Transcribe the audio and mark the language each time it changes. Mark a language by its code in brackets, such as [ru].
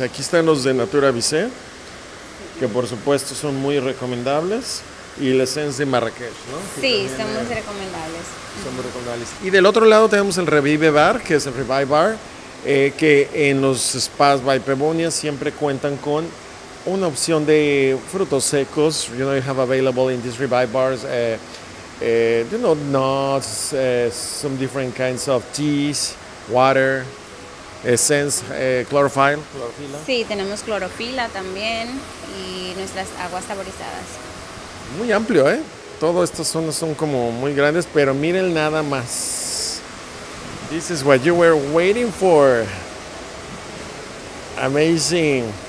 [es] Aquí están los de Natura Vicente, que por supuesto son muy recomendables. Y la esencia de Marrakech, ¿no? Sí, son muy recomendables. Son muy recomendables. Y del otro lado tenemos el Revive Bar, que es el Revive Bar, que en los spas by Pebonia siempre cuentan con una opción de frutos secos. [en] You know, you have available in these Revive Bars, you know, nuts, some different kinds of teas, water, essence, chlorophyll. [es] Sí, tenemos clorofila también y nuestras aguas saborizadas. Muy amplio, ¿eh? Todas estas zonas son como muy grandes, pero miren nada más. [en] This is what you were waiting for. Amazing.